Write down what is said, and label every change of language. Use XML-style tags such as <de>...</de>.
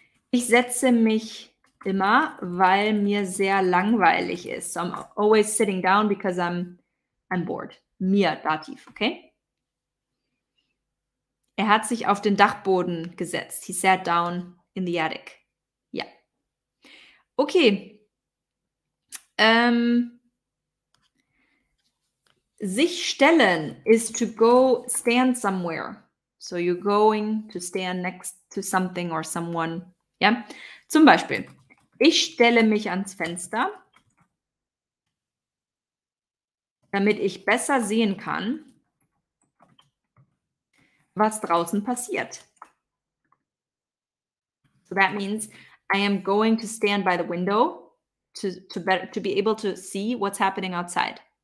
<de>Ich setze mich immer, weil mir sehr langweilig ist.</de> <en>So I'm always sitting down because I'm bored.</en> <de>Mir, Dativ, okay? Er hat sich auf den Dachboden gesetzt.</de> <en>He sat down. In the attic. Ja. Okay. Sich stellen is to go stand somewhere. So you're going to stand next to something or someone. Ja.</en> <de>Zum Beispiel, ich stelle mich ans Fenster, damit ich besser sehen kann, was draußen passiert.</de> <en>So that means I am going to stand by the window to be able to see what's happening outside.</en>